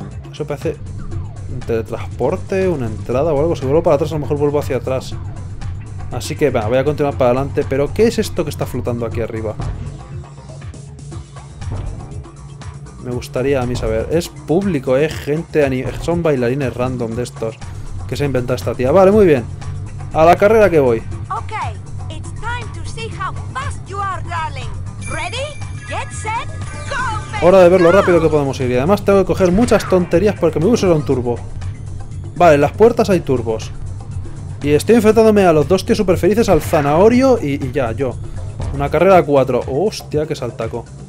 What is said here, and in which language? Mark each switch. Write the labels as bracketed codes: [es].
[es] Eso parece un teletransporte, una entrada o algo. Si vuelvo para atrás, a lo mejor vuelvo hacia atrás. Así que, bueno, voy a continuar para adelante. Pero, ¿qué es esto que está flotando aquí arriba? Me gustaría a mí saber. Es público, ¿eh? Gente, son bailarines random de estos que se ha inventado esta tía. Vale, muy bien. A la carrera que voy. [en] Ok, it's time to see how fast you are, darling. Ready? Get set? Go, baby, [es] hora de ver [en] go. [es] Lo rápido que podemos ir. Y además tengo que coger muchas tonterías porque me voy a usar un turbo. Vale, en las puertas hay turbos. Y estoy enfrentándome a los dos tíos super felices, al zanahorio y ya, yo. Una carrera a 4. Hostia, qué saltaco.